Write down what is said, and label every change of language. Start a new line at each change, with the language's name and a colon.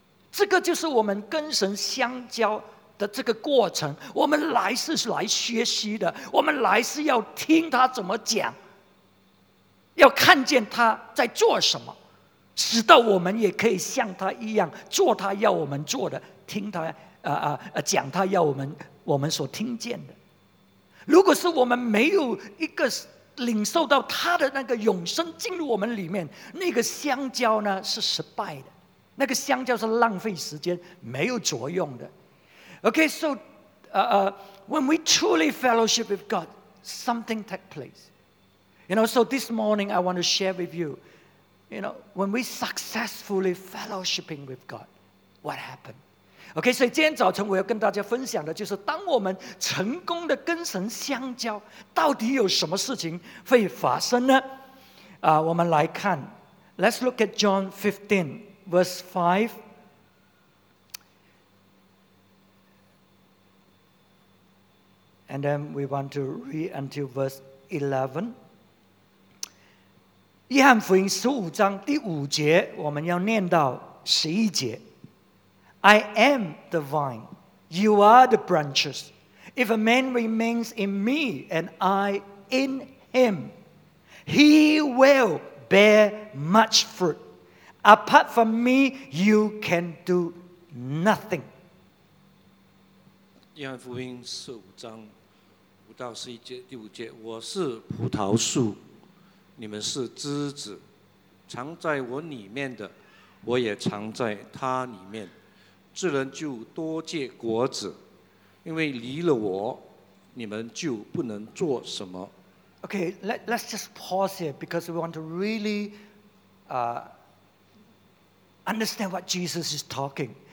Chinese: 这个就是我们跟神相交 的这个过程, 我们来是来学习的, 我们来是要听他怎么讲, 要看见他在做什么, 直到我们也可以像他一样, 做他要我们做的, 听他, 讲他要我们, 我们所听见的。如果是我们没有一个领受到他的那个永生进入我们里面, 那个相交呢, 是失败的, 那个相交是浪费时间, 没有作用的。
English: Okay, so when we truly fellowship with God, something takes place. You know, so this morning I want to share with you, you know, when we successfully fellowshipping with God, what happened?
Chinese: Okay, so 今天早晨我要跟大家分享的就是当我们成功的跟神相交, 到底有什么事情会发生呢? 我们来看,
English: let's look at John 15, verse 5. And then we want to read until verse 11.
Chinese: 约翰福音15章第5节, 我们要念到11节。
English: I am the vine, you are the branches. If a man remains in me and I in him, he will bear much fruit. Apart from me, you can do nothing.
Chinese: 约翰福音15章 到十一节第五节，我是葡萄树，你们是枝子，常在我里面的，我也常在他里面。这人就多结果子，因为离了我，你们就不能做什么。
English: Okay, let's just pause here because we want to really understand what Jesus is talking.